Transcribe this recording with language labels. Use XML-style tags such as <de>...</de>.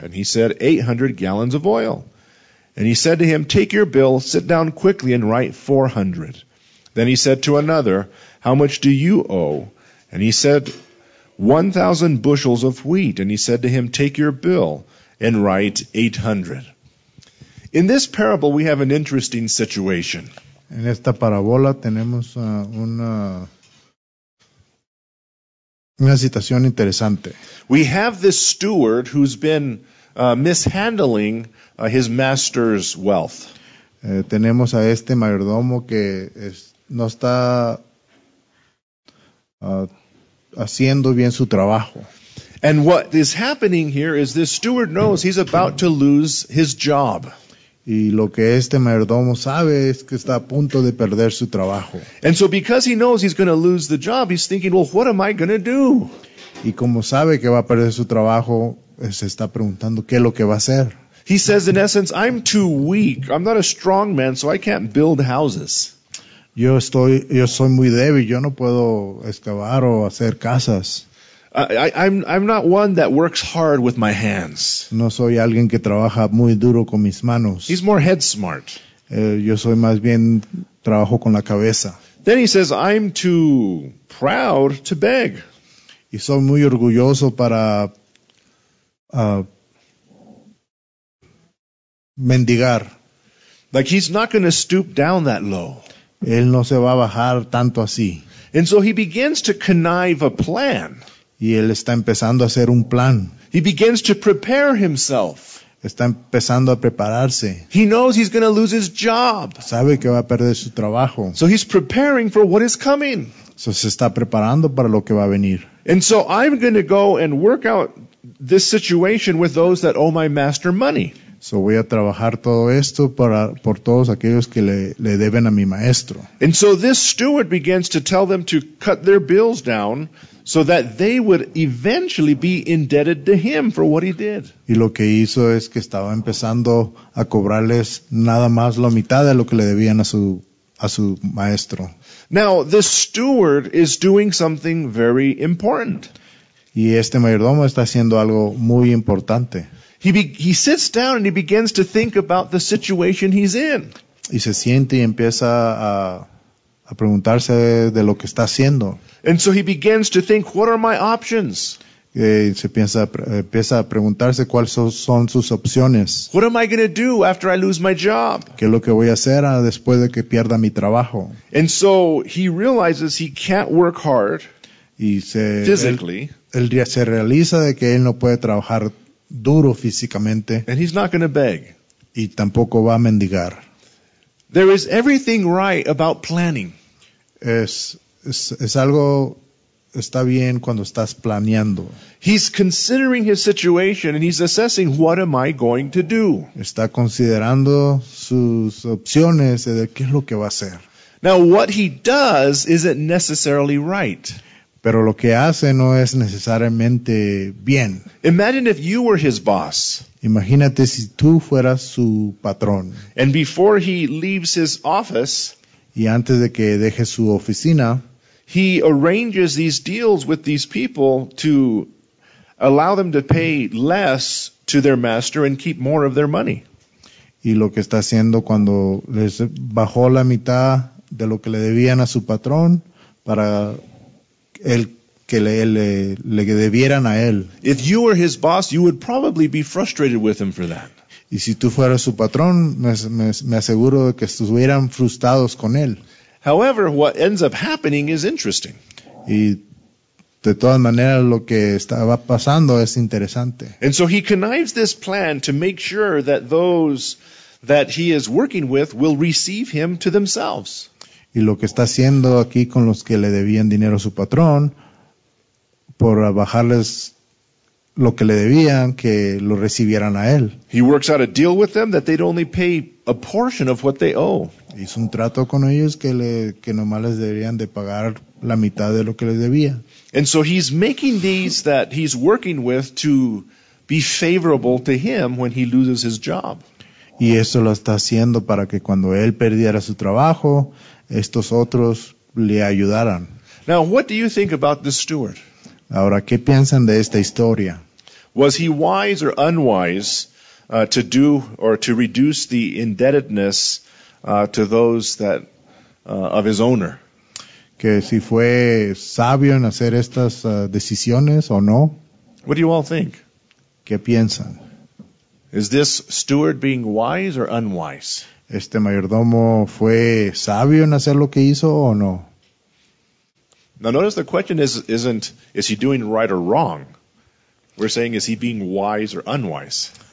<en>And he said, 800 gallons of oil. And he said to him, 'Take your bill, sit down quickly and write 400. Then he said to another, 'How much do you owe?' And he said, 1,000 bushels of wheat. And he said to him, 'Take your bill and write 800. In this parable, we have an interesting situation.</en> <es>En esta parábola tenemos una situación interesante.</es> <en>We have this steward who's been mishandling his master's wealth.</en> <es>Tenemos a este mayordomo que no está haciendo bien su trabajo.</es> <en>And what is happening here is this steward knows he's about to lose his job.</en> <es>Y lo que este mayordomo sabe es que está a punto de perder su trabajo.</es> <en>And so because he knows he's going to lose the job, he's thinking, well, what am I going to do?</en> <es>Y como sabe que va a perder su trabajo, se está preguntando qué es lo que va a hacer.</es> <en>He says, in essence, I'm too weak. I'm not a strong man, so I can't build houses.</en> <es>Yo soy muy débil. Yo no puedo excavar o hacer casas.</es> <en>I'm not one that works hard with my hands.</en> <es>No soy alguien que trabaja muy duro con mis manos.</es> <en>He's more head smart.</en> <es>Yo soy más bien trabajo con la cabeza.</es> <en>Then he says, I'm too proud to beg.</en> <es>Y soy muy orgulloso para mendigar.</es> <en>Like he's not going to stoop down that low.</en> <es>Él no se va a bajar tanto así.</es> <en>And so he begins to connive a plan.</en> <es>Y él está empezando a hacer un plan.</es> <en>He begins to prepare himself.</en> <es>Está empezando a prepararse.</es> <en>He knows he's going to lose his job.</en> <es>Sabe que va a perder su trabajo.</es> <en>So he's preparing for what is coming. So</en> <es>se está preparando para lo que va a venir.</es> <en>And so I'm going to go and work out this situation with those that owe my master money. So</en> <es>voy a trabajar todo esto para por todos aquellos que le deben a mi maestro.</es> <en>And so this steward begins to tell them to cut their bills down so that they would eventually be indebted to him for what he did.</en> <es>Y lo que hizo es que estaba empezando a cobrarles nada más la mitad de lo que le debían a su maestro.</es> <en>Now, this steward is doing something very important.</en> <es>Y este mayordomo está haciendo algo muy importante.</es> <en>He sits down and he begins to think about the situation he's in.</en> <es>Y se siente y empieza a preguntarse de lo que está haciendo.</es> <en>And so he begins to think, what are my options?</en> <es>Empieza a preguntarse cuáles son sus opciones.</es> <en>What am I going to do after I lose my job?</en> <es>¿Qué es lo que voy a hacer después de que pierda mi trabajo?</es> <en>And so he realizes he can't work hard physically.</en> <es>Él se realiza de que él no puede trabajar duro físicamente.</es> <en>And he's not going to beg.</en> <es>Y tampoco va a mendigar.</es> <en>There is everything right about planning.</en> <es>Es algo está bien cuando estás planeando.</es> <en>He's considering his situation and he's assessing what am I going to do.</en> <es>Está considerando sus opciones de qué es lo que va a hacer.</es> <en>Now what he does isn't necessarily right.</en> <es>Pero lo que hace no es necesariamente bien.</es> <en>Imagine if you were his boss.</en> <es>Imagínate si tú fueras su patrón.</es> <en>And before he leaves his office,</en> <es>y antes de que deje su oficina,</es> <en>he arranges these deals with these people to allow them to pay less to their master and keep more of their money.</en> <es>Y lo que está haciendo cuando les bajó la mitad de lo que le debían a su patrón para el que le debieran a él.</es> <en>If you were his boss, you would probably be frustrated with him for that.</en> <es>Y si tú fueras su patrón, me aseguro de que estuvieran frustrados con él.</es> <en>However, what ends up happening is interesting.</en> <es>Y de todas maneras, lo que estaba pasando es interesante.</es> <en>And so he connives this plan to make sure that those that he is working with will receive him to themselves.</en> <es>Y lo que está haciendo aquí con los que le debían dinero a su patrón, por bajarles lo que le debían, que lo recibieran a él.</es> <en>He works out a deal with them that they'd only pay a portion of what they owe.</en> <es>Hizo un trato con ellos que nomás les deberían de pagar la mitad de lo que les debía.</es> <en>And so he's making these that he's working with to be favorable to him when he loses his job.</en> <es>Y eso lo está haciendo para que cuando él perdiera su trabajo, estos otros le ayudaran.</es> <en>Now, what do you think about this steward?</en> <es>Ahora, ¿qué piensan de esta historia?</es> <en>Was he wise or unwise to do or to reduce the indebtedness to those that of his owner?</en> <es>¿Que si fue sabio en hacer estas decisiones o no?</es> <en>What do you all think?</en> <es>¿Qué piensan?</es> <en>Is this steward being wise or unwise?</en> <es>¿Este mayordomo fue sabio en hacer lo que hizo o no?</es> <en>Now notice the question isn't, is he doing right or wrong? We're saying, is he being wise or unwise?</en>